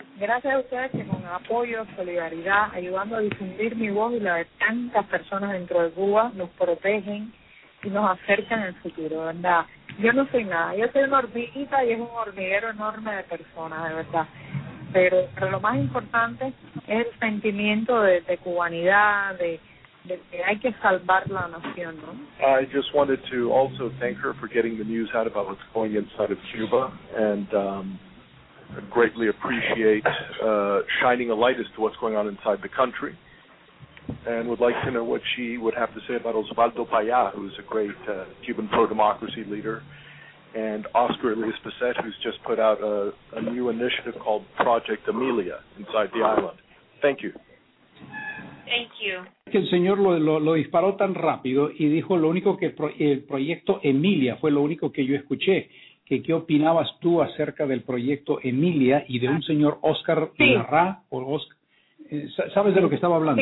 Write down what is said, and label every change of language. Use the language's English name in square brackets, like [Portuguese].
[Spanish] Gracias a ustedes que con apoyo, solidaridad, ayudando a difundir mi voz y la de tantas personas dentro de Cuba, nos protegen y nos acercan al futuro, ¿verdad? Yo no soy nada. Yo soy una hormiguita y es un hormiguero enorme de personas, de verdad. Pero lo más importante es el sentimiento de cubanidad, de que hay que salvar la nación, ¿no? [English] I just wanted to also thank her for getting the news out about what's going inside of Cuba and greatly appreciate shining a light as to what's going on inside the country, and would like to know what she would have to say about Osvaldo Payá, who's a great Cuban pro-democracy leader, and Oscar Elias Bessette, who's just put out a new initiative called Project Amelia inside the island. Thank you. Thank you. [Spanish] El señor lo disparó tan rápido y dijo lo único que el proyecto Emilia fue lo único que yo escuché. Que qué opinabas tú acerca del proyecto Emilia y de un señor Oscar Larra, o Oscar, ¿sabes de lo que estaba hablando,